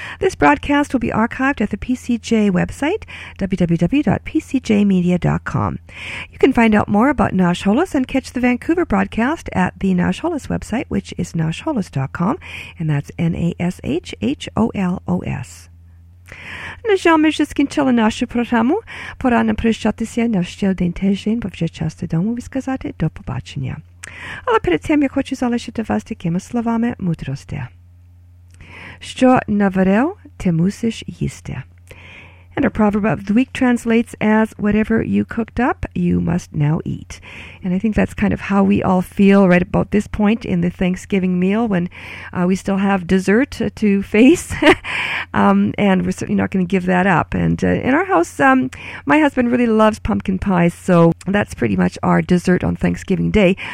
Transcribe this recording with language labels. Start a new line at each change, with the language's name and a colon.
English: This broadcast will be archived at the PCJ website, www.pcjmedia.com. You can find out more about Nash Holos and catch the Vancouver broadcast at the Nash Holos website, which is nashholos.com, and that's NASHHOLOS.
Ukrainian: Нажав мені скінчила нашу програму. Пора нам прощатися на ще один тиждень, бо вже час додому відказати. До побачення. Але перед цим я хочу залишити вас такими словами мудрості. Що наварив, ти мусиш їсти.
English: And our proverb of the week translates as, whatever you cooked up, you must now eat. And I think that's kind of how we all feel right about this point in the Thanksgiving meal when we still have dessert to face. and we're certainly not going to give that up. And in our house, my husband really loves pumpkin pies, so that's pretty much our dessert on Thanksgiving Day.